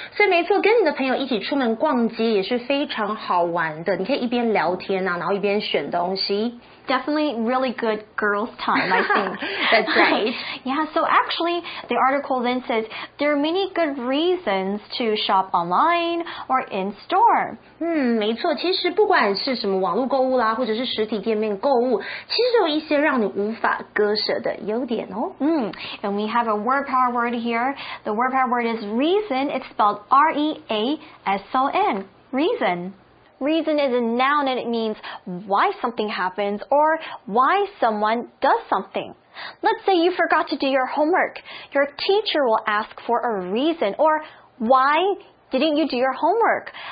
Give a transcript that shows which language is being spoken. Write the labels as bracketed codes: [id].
[zh] 所以没错，跟你的朋友一起出门逛街也是非常好玩的。你可以一边聊天啊，然后一边选东西。 [en] Definitely really good girls' time, I think. That's right. Yeah, so actually, the article then says, there are many good reasons to shop online or in-store. [zh] 没错，其实不管是什么网络购物啦，或者是实体店面购物，其实有一些让你无法割舍的优点哦。 [en] And we have a word power word here. The word power word is reason. It's spelled R-E-A-S-O-N, reason. Reason is a noun and it means why something happens or why someone does something. Let's say you forgot to do your homework. Your teacher will ask for a reason or why didn't you do your homework?